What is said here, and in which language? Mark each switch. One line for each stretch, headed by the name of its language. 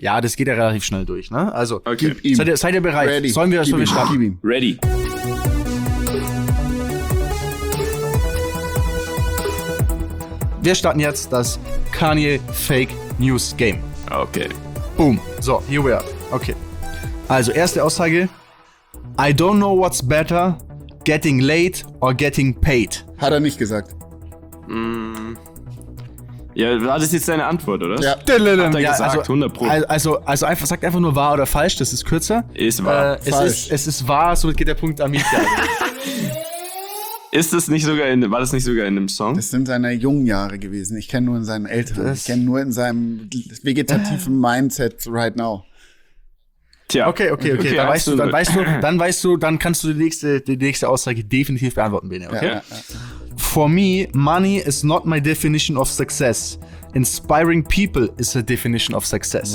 German: Ja, das geht ja relativ schnell durch, ne? Also, okay. Seid ihr bereit?
English: Ready.
German: Sollen wir starten?
English: Ready.
German: Wir starten jetzt das Kanye Fake News Game. Okay.
English: Boom. So, here we are. Okay.
German: Also, erste Aussage.
English: I don't know what's better, getting late or getting paid.
German: Hat er nicht gesagt. Ja, war das jetzt deine Antwort, oder? Ja, hat er gesagt, 100%. Also einfach, sagt einfach nur wahr oder falsch, das ist kürzer. Ist wahr. Es ist wahr, somit geht der Punkt an mich. War das nicht sogar in einem Song? Das sind seine jungen Jahre gewesen. Ich kenne nur in seinen älteren. Ich kenne nur in seinem vegetativen Mindset
English: right now.
German: Tja. Okay. Dann kannst du die nächste Aussage definitiv beantworten, Bene, okay? Ja.
English: For me, money is not my definition of success. Inspiring people is a definition of success.